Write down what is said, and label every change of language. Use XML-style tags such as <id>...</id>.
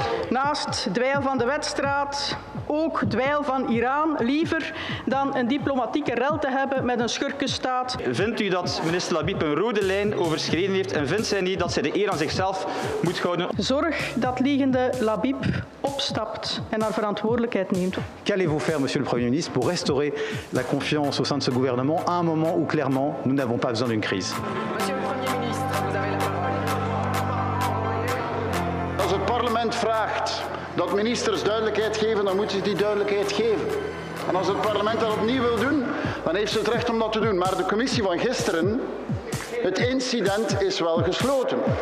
<nl>Naast dweil van de Wetstraat, ook dweil van Iran, liever dan een diplomatieke rel te hebben met een schurkenstaat. Vindt u dat minister Labib een rode lijn overschreden heeft en vindt zij niet dat zij de eer aan zichzelf moet houden? Zorg dat liegende Labib opstapt en haar verantwoordelijkheid neemt.</nl> <fr>Qu'allez-vous faire, monsieur le Premier ministre, pour restaurer la confiance au sein de ce gouvernement à un moment où clairement nous n'avons pas besoin d'une crise?</fr> <nl>Als het parlement vraagt dat ministers duidelijkheid geven, dan moeten ze die duidelijkheid geven. En als het parlement dat opnieuw wil doen, dan heeft ze het recht om dat te doen. Maar de commissie van gisteren, het incident is wel gesloten.</nl>